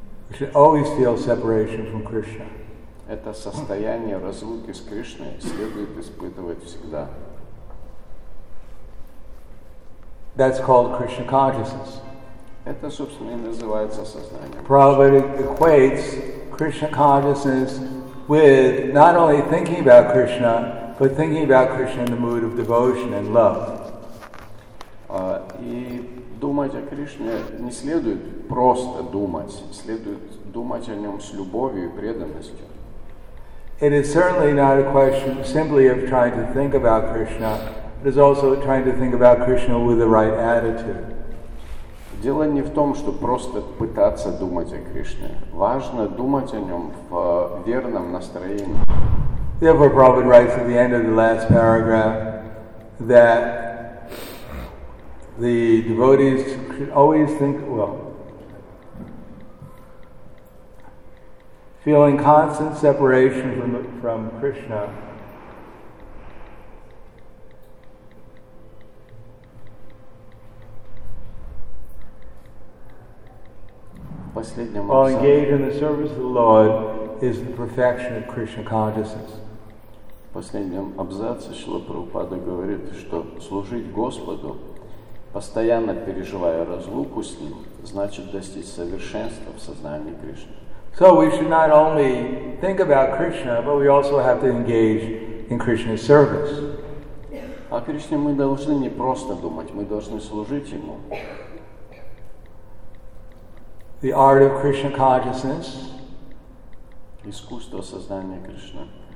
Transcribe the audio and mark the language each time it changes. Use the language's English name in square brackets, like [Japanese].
[English] We should always feel separation from Krishna. [Russian] Это состояние разлуки с Кришной следует испытывать всегда. [English] That's called Krishna consciousness. [Russian] Это, собственно, и называется сознание. [English] Prabhupada equates Krishna consciousness with not only thinking about Krishna, but thinking about Krishna in the mood of devotion and love. [Russian] И думать о Кришне не следует просто думать, следует думать о нем с любовью и преданностью. [English] It is certainly not a question simply of trying to think about Krishna, but it's also trying to think about Krishna with the right attitude. [Russian] Дело не в том, что просто пытаться думать о Кришне. Важно думать о нем в верном настроении. [English] Therefore, Prabhupada writes at the end of the last paragraph that the devotees should always think, well, feeling constant separation from Krishna. [Russian] Последним [English] while engaged in the service of the Lord is the perfection of Krishna consciousness. [Russian] Последнем абзаце Шрила Прабхупада говорит, что служить Господу, постоянно переживая разлуку с Ним, значит достичь совершенства в сознании Кришны. [English] So we should not only think about Krishna, but we also have to engage in Krishna's service. [Russian] О Кришне мы должны не просто думать, мы должны служить Ему. [English] The art of Krishna consciousness. [Russian] Искусство сознания Кришны.